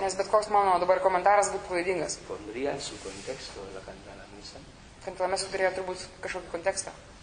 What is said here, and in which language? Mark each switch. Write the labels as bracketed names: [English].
[Lithuanian] Nes bet koks mano dabar komentaras būtų klaidingas. [Spanish] Pondría en su contexto la cantada misa. [Lithuanian] Cantada misa turėjo turbūt kažkokį kontekstą.